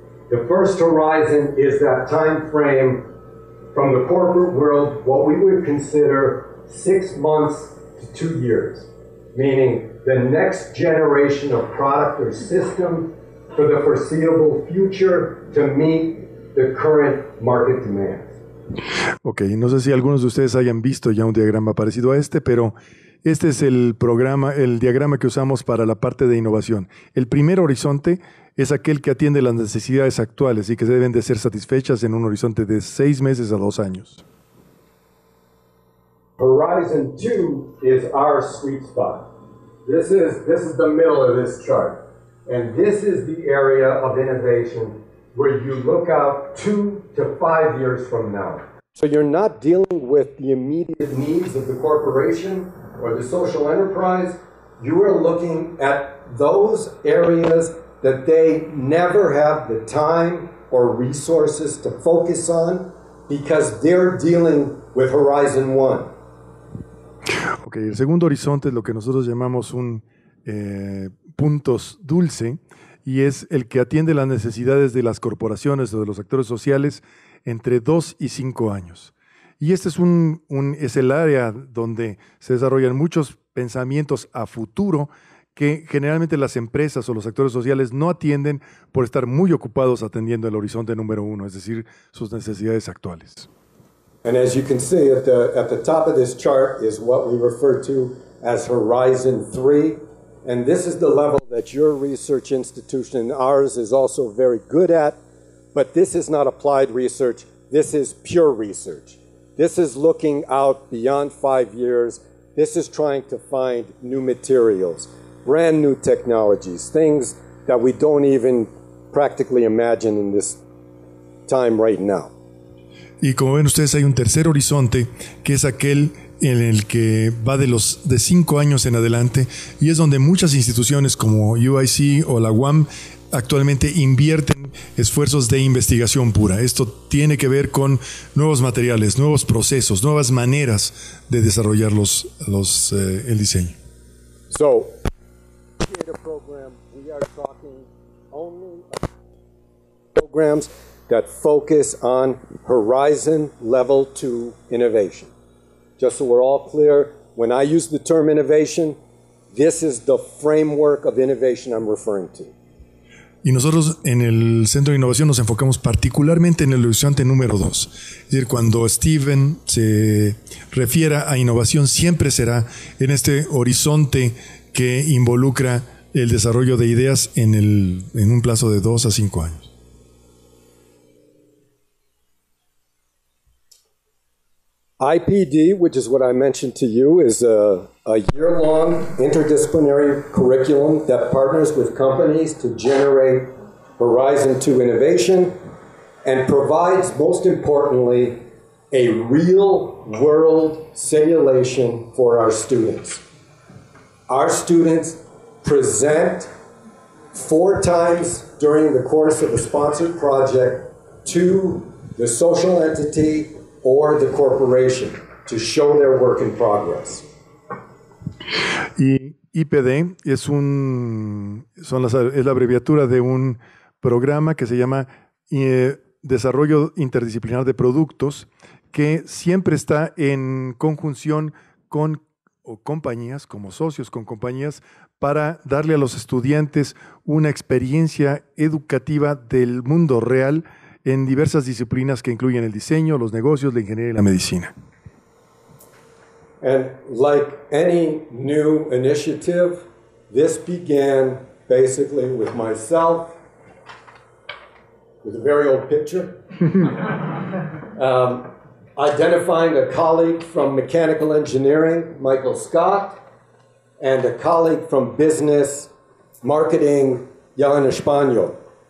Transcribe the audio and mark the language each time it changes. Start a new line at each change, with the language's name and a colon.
English: The first horizon is that time frame from the corporate world, what we would consider 6 months to 2 years, meaning the next generation of product or system for the foreseeable future to meet the current market demand.
Spanish: Ok, no sé si algunos de ustedes hayan visto ya un diagrama parecido a este, pero este es el programa, el diagrama que usamos para la parte de innovación. El primer horizonte es aquel que atiende las necesidades actuales y que deben de ser satisfechas en un horizonte de 6 meses a 2 años.
English: Horizon 2 is our sweet spot. This is the middle of this chart. And this is the area of innovation where you look out 2 to 5 years from now. So you're not dealing with the immediate needs of the corporation or the social enterprise. You are looking at those areas that they never have the time or resources to focus on because they're dealing with Horizon 1.
Spanish: Okay, el segundo horizonte es lo que nosotros llamamos un puntos dulce, y es el que atiende las necesidades de las corporaciones o de los actores sociales entre 2 y 5 años. Y este es es el área donde se desarrollan muchos pensamientos a futuro que generalmente las empresas o los actores sociales no atienden por estar muy ocupados atendiendo el horizonte número uno, es decir, sus necesidades actuales.
English: And as you can see at the top of this chart is what we refer to as Horizon 3. And this is the level that your research institution and ours is also very good at, but this is not applied research, this is pure research. This is looking out beyond 5 years, this is trying to find new materials, brand new technologies, things that we don't even practically imagine in this time right now.
Spanish: Y como ven ustedes, hay un tercer horizonte, que es aquel en el que va de 5 años en adelante, y es donde muchas instituciones como UIC o la UAM actualmente invierten esfuerzos de investigación pura. Esto tiene que ver con nuevos materiales, nuevos procesos, nuevas maneras de desarrollar el diseño.
English: So, create a program. We are talking only about programs that focus on horizon level 2 innovation. Just so we're all clear, when I use the term innovation, this is the framework of innovation I'm referring to.
Spanish: Y nosotros en el Centro de Innovación nos enfocamos particularmente en el horizonte número 2. Es decir, cuando Steven se refiera a innovación, siempre será en este horizonte que involucra el desarrollo de ideas en un plazo de 2 a 5 años.
English: IPD, which is what I mentioned to you, is a year-long interdisciplinary curriculum that partners with companies to generate Horizon 2 innovation and provides, most importantly, a real-world simulation for our students. Our students present 4 times during the course of a sponsored project to the social entity or the corporation to show their work in progress.
Spanish: Y IPD es la abreviatura de un programa que se llama Desarrollo Interdisciplinar de Productos, que siempre está en conjunción con o compañías, como socios con compañías, para darle a los estudiantes una experiencia educativa del mundo real en diversas disciplinas que incluyen el diseño, los negocios, la ingeniería y la medicina.
English: And like any new initiative, this began basically with myself, with a very old picture, identifying a colleague from mechanical engineering, Michael Scott, and a colleague from business marketing, Jan Espanyol.